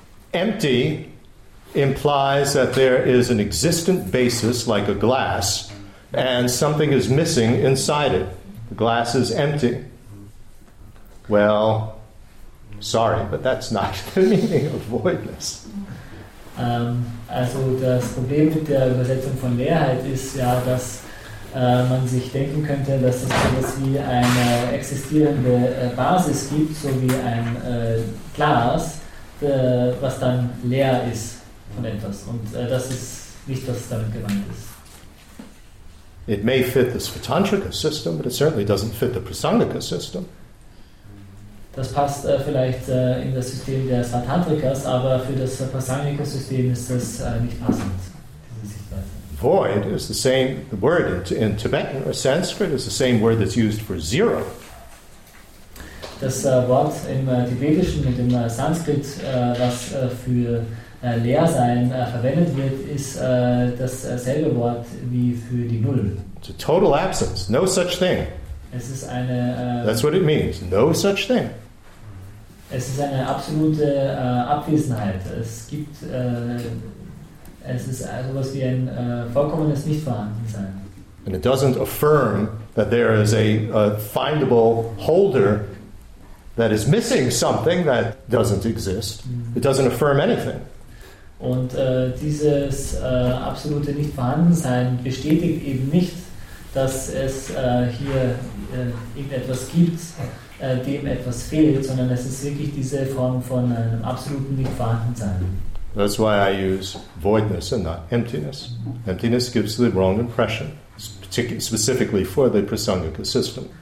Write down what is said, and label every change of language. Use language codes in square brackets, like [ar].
[en] Empty implies that there is an existent basis like a glass, and something is missing inside it. The glass is empty. Well, sorry, but that's not the meaning of voidness. [de] Also das Problem mit der Übersetzung von Leerheit ist ja, dass man sich denken könnte, dass es sowas wie eine existierende Basis gibt, so wie ein Glas, was dann leer ist von etwas. Und das ist nicht, was damit gemeint ist. [en] It may fit the Svatantrika system, but it certainly doesn't fit the Prasangika system. [de] Das passt vielleicht in das System der Svatantrikas, aber für das Prasangika system ist das nicht passend, diese Sichtweise. [en] Void is the same, the word in Tibetan or Sanskrit is the same word that's used for zero. [de] Das Wort im Tibetischen und im Sanskrit, was für leer sein verwendet wird, ist dasselbe Wort wie für die Null. [en] It's a total absence, no such thing. [de] Es ist eine, [en] that's what it means, no such thing. [de] Es ist eine absolute Abwesenheit. Es gibt, es ist sowas wie ein vollkommenes Nichtvorhandensein. [en] And it doesn't affirm that there is a findable holder that is missing something that doesn't exist. Mm. It doesn't affirm anything. [de] Und dieses absolute Nichtvorhandensein bestätigt eben nicht, dass es hier irgendetwas gibt, dem etwas fehlt, sondern es ist wirklich diese Form von einem absoluten Nichtvorhandensein. [en] That's why I use voidness and not emptiness. Emptiness gives the wrong impression, specifically for the Prasangika system.